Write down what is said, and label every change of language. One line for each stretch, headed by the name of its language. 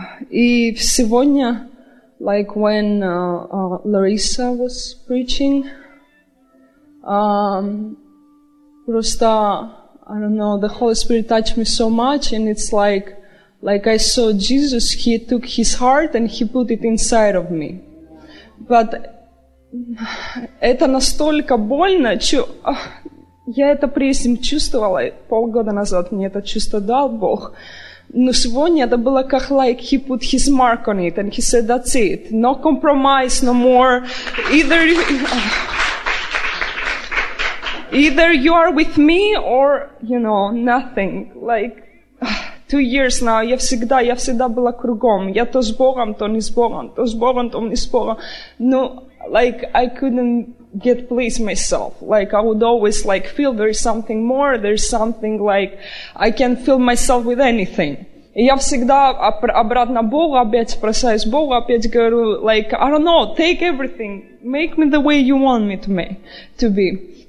Russian: И сегодня,
English: like when Larissa was preaching,
Russian: просто,
English: I don't know, the Holy Spirit touched me so much, and it's like I saw Jesus, he took his heart and he put it inside of me. But
Russian: это настолько больно, что я это прежде чувствовала, полгода назад мне это чувство дал Бог. Но сегодня это было как,
English: like, he put his mark on it, and he said, that's it, no compromise, no more, either you are with me, or, you know, nothing, like, 2 years now,
Russian: я всегда была кругом. Я то с Богом, то не с Богом, то с Богом, то не с Богом. Но,
English: like, I couldn't get pleased myself. Like, I would always, like, feel there's something more, there's something, like, I can't fill myself with anything.
Russian: И я всегда обратно Богу опять спрашиваюсь, Богу опять говорю,
English: like, I don't know, take everything, make me the way you want me to, be.